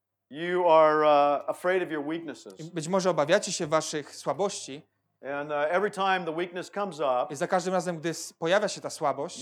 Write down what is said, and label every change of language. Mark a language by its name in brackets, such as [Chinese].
[English] you are afraid of your weaknesses. [Polish] Być może obawiacie się waszych słabości. [English] And every time the weakness comes up, [Polish] i za każdym razem, gdy pojawia się ta słabość,